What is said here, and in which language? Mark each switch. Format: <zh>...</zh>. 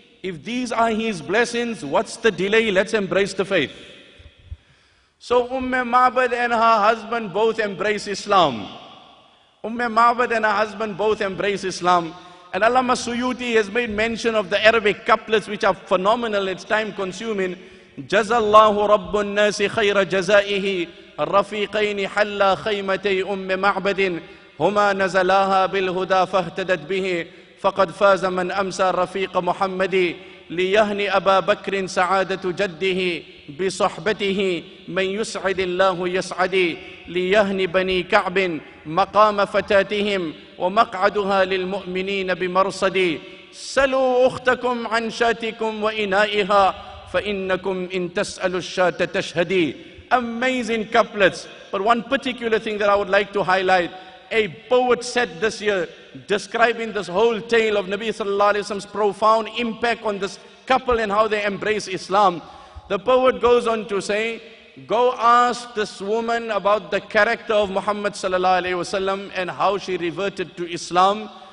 <en>If these are his blessings, what's the delay? Let's embrace the faith. So Ma'bad and her husband both embrace Islam. Ma'bad and her husband both embrace Islam. And Allama Suyuti has made mention of the Arabic couplets which are phenomenal, it's time consuming.</en> <ar>جزى الله رب الناس خير جزائه الرفيقين حلا خيمتي أم معبد هما نزلاها بالهدى فاهتدت به فقد فاز من أمسى الرفيق محمد ليهني أبا بكر سعادة جده بصحبته من يسعد الله يسعد ليهني بني كعب مقام فتاتهم ومقعدها للمؤمنين بمرصد سلوا أختكم عن شاتكم وإنائها فإنكم إن تسألوا الشات تشهدي.</ar> <en>Amazing couplets. But one particular thing that I would like to highlight, a poet said this year, describing this whole tale of Nabi sallallahu alaihi wasallam's profound impact on this couple and how they embrace Islam. The poet goes on to say, go ask this woman about the character of Muhammad sallallahu alaihi wasallam and how she reverted to Islam.</en>